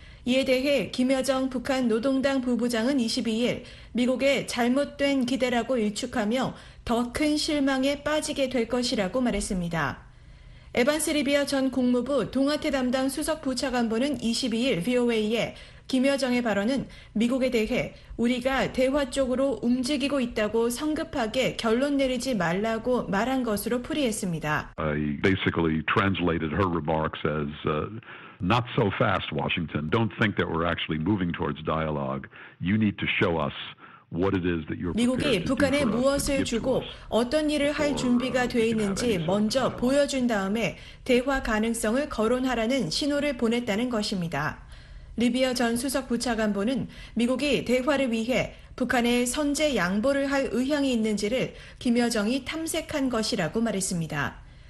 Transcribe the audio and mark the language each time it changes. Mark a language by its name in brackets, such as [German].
[Korean] 이에 대해 김여정 북한 노동당 부부장은 22일 미국의 잘못된 기대라고 일축하며 더 큰 실망에 빠지게 될 것이라고 말했습니다. 에반스 리비아 전 국무부 동아태 담당 수석 부차관보는 22일 VOA에 김여정의 발언은 미국에 대해 우리가 대화 쪽으로 움직이고 있다고 성급하게 결론 내리지 말라고 말한 것으로 풀이했습니다. [English] I basically translated her remarks as not so fast, Washington. Don't think that we're actually moving towards dialogue. You need to show us. [Korean] 미국이 북한에 무엇을 주고 어떤 일을 할 준비가 되어 있는지 먼저 보여준 다음에 대화 가능성을 거론하라는 신호를 보냈다는 것입니다. 리비어 전 수석 부차관보는 미국이 대화를 위해 북한에 선제 양보를 할 의향이 있는지를 김여정이 탐색한 것이라고 말했습니다.